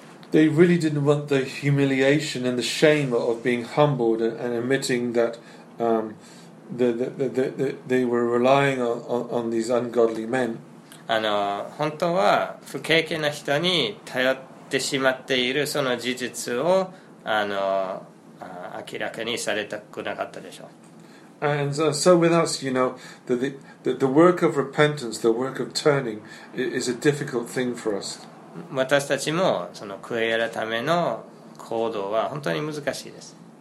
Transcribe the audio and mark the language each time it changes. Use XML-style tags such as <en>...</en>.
<en>They really didn't want the humiliation and the shame of being humbled and admitting thatthey were relying on these ungodly men.</en> <ja>本当は不経験な人に頼ってしまっているその事実を明らかにされたくなかったでしょう。</ja> <en>And so with us, you know, the work of repentance, the work of turning, is a difficult thing for us.</en> <ja>私たちもその悔い改めの行動は本当に難しいです。</ja>